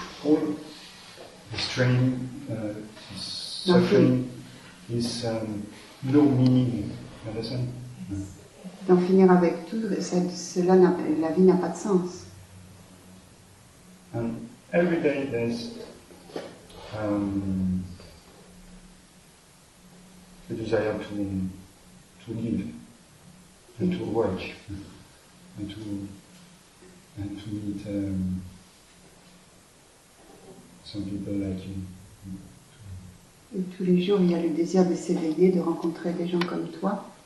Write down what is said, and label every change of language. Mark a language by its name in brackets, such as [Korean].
[English] All the strain, the suffering, this no meaning. [French] D'en finir avec tout, cela n'a, la vie n'a pas de sens. [English] And every day there's the desire to live and to work and to meet some people like you. [French] Et tous les jours, il y a le désir de s'éveiller, de rencontrer des gens comme toi.